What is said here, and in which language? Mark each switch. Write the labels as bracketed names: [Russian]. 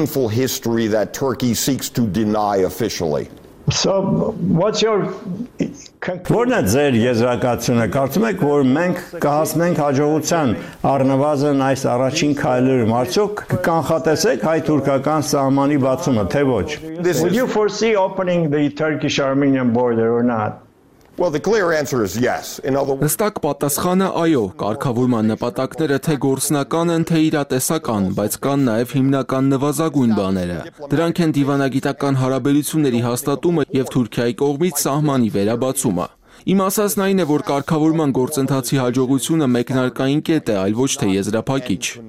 [English] History that Turkey seeks to deny officially. So, what's your [Armenian] Որն է ձեր եզրակացությունը, կարծում եք, որ մենք կհասնենք հաջողության առնվազն այս առաջին քայլերում, արդյոք կկանխատեսեք հայ-թուրքական սահմանի բացումը, թե ոչ? [English] Would you foresee opening the Turkish-Armenian border or not? Well, the clear answer is yes. In other words, [Armenian] հստակ պատասխանը այո, կարգավորման նպատակները թե գործնական են, թե իրատեսական, բայց կան նաև հիմնական նվազագույն բաները։ Դրանք են դիվանագիտական հարաբերությունների հաստատումը եւ Թուրքիայի կողմից սահմանի վերաբացումը։ Իմ ասածն այն է, որ կարգավորման գործընթացի հաջողությունը մեկնարկային կետ է, այլ ոչ թե եզրափակիչ։